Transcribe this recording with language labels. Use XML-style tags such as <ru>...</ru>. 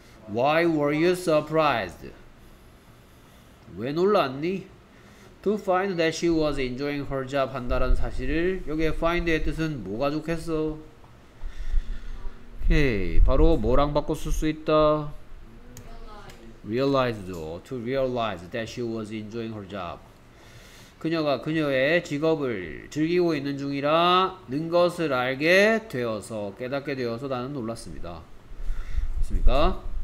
<en>Why were you surprised?</en> <ko>왜 놀랐니?</ko> <en>To find that she was enjoying her job</en> <ko>한다라는 사실을 여기에 find의 뜻은 뭐가 좋겠어? 오케이. 바로 뭐랑 바꿔 쓸 수 있다?</ko> <en>Realized, to realize that she was enjoying her job.</en> <ko>그녀가 그녀의 직업을 즐기고 있는 중이라 는 것을 알게 되어서 깨닫게 되어서 나는 놀랐습니다. 됐습니까?</ko>